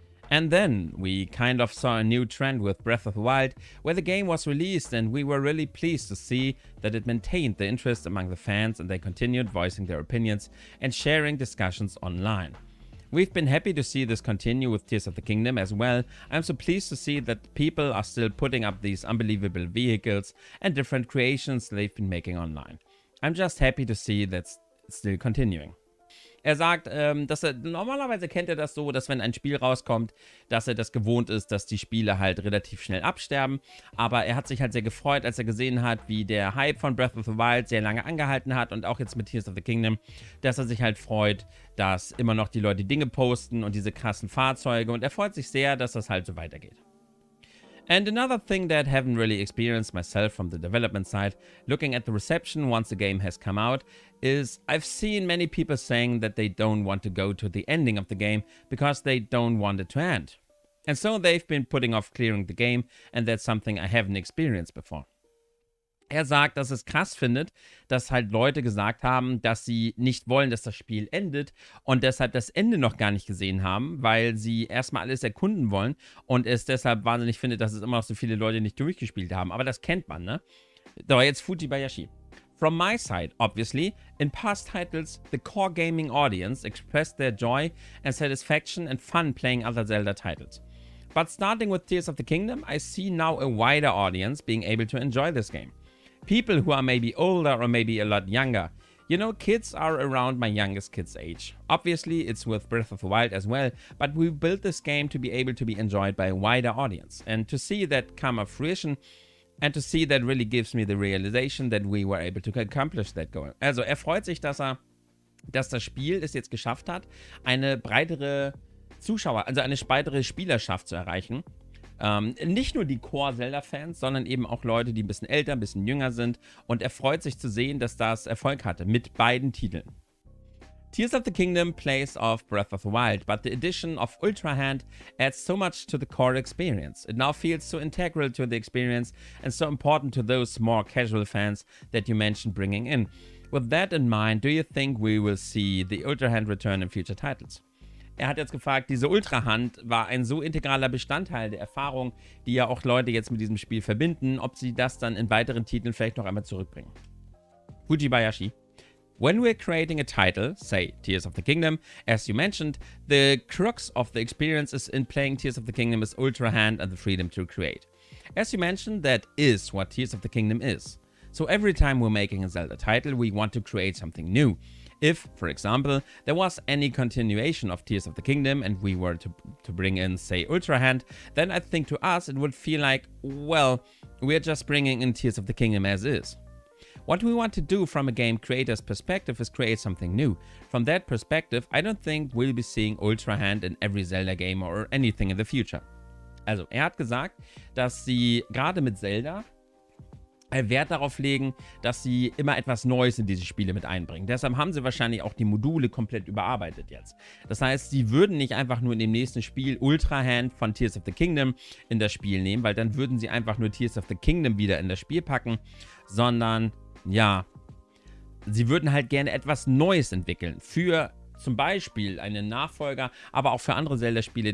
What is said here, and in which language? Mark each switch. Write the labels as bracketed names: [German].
[English] And then we kind of saw a new trend with Breath of the Wild, where the game was released, and we were really pleased to see that it maintained the interest among the fans and they continued voicing their opinions and sharing discussions online. We've been happy to see this continue with Tears of the Kingdom as well. I'm so pleased to see that people are still putting up these unbelievable vehicles and different creations they've been making online. I'm just happy to see that's still continuing. [German] Er sagt, dass er normalerweise kennt er das so, dass wenn ein Spiel rauskommt, dass er das gewohnt ist, dass die Spiele halt relativ schnell absterben. Aber er hat sich halt sehr gefreut, als er gesehen hat, wie der Hype von Breath of the Wild sehr lange angehalten hat und auch jetzt mit Tears of the Kingdom, dass er sich halt freut, dass immer noch die Leute Dinge posten und diese krassen Fahrzeuge und er freut sich sehr, dass das halt so weitergeht. [English] And another thing that I haven't really experienced myself from the development side, looking at the reception once the game has come out, is I've seen many people saying that they don't want to go to the ending of the game because they don't want it to end. And so they've been putting off clearing the game, and that's something I haven't experienced before. [German] Er sagt, dass es krass findet, dass halt Leute gesagt haben, dass sie nicht wollen, dass das Spiel endet und deshalb das Ende noch gar nicht gesehen haben, weil sie erstmal alles erkunden wollen und es deshalb wahnsinnig findet, dass es immer noch so viele Leute nicht durchgespielt haben. Aber das kennt man, ne? So, jetzt Fujibayashi. [English] From my side, obviously, in past titles, the core gaming audience expressed their joy and satisfaction and fun playing other Zelda titles. But starting with Tears of the Kingdom, I see now a wider audience being able to enjoy this game. People who are maybe older or maybe a lot younger. You know, kids are around my youngest kid's age. Obviously, it's with Breath of the Wild as well, but we built this game to be able to be enjoyed by a wider audience. And to see that come of fruition, and to see that really gives me the realization that we were able to accomplish that goal. [German] Also, er freut sich, dass das Spiel es jetzt geschafft hat, eine breitere Zuschauer, also eine breitere Spielerschaft zu erreichen. Nicht nur die Core-Zelda-Fans, sondern eben auch Leute, die ein bisschen älter, ein bisschen jünger sind. Und er freut sich zu sehen, dass das Erfolg hatte mit beiden Titeln. [English] Tears of the Kingdom plays off Breath of the Wild, but the addition of Ultra Hand adds so much to the core experience. It now feels so integral to the experience and so important to those more casual fans that you mentioned bringing in. With that in mind, do you think we will see the Ultra Hand return in future titles? [German] Er hat jetzt gefragt, diese Ultra-Hand war ein so integraler Bestandteil der Erfahrung, die ja auch Leute jetzt mit diesem Spiel verbinden, ob sie das dann in weiteren Titeln vielleicht noch einmal zurückbringen. Fujibayashi. [English] When we're creating a title, say Tears of the Kingdom, as you mentioned, the crux of the experience is in playing Tears of the Kingdom is Ultra-Hand and the freedom to create. As you mentioned, that is what Tears of the Kingdom is. So every time we're making a Zelda title, we want to create something new. If, for example, there was any continuation of Tears of the Kingdom and we were to bring in, say, Ultra Hand, then I think to us it would feel like, well, we're just bringing in Tears of the Kingdom as is. What we want to do from a game creator's perspective is create something new. From that perspective, I don't think we'll be seeing Ultra Hand in every Zelda game or anything in the future. [German] Also, hat gesagt, dass sie gerade mit Zelda Wert darauf legen, dass sie immer etwas Neues in diese Spiele mit einbringen. Deshalb haben sie wahrscheinlich auch die Module komplett überarbeitet jetzt. Das heißt, sie würden nicht einfach nur in dem nächsten Spiel Ultra Hand von Tears of the Kingdom in das Spiel nehmen, weil dann würden sie einfach nur Tears of the Kingdom wieder in das Spiel packen, sondern, ja, sie würden halt gerne etwas Neues entwickeln für zum Beispiel einen Nachfolger, aber auch für andere Zelda-Spiele.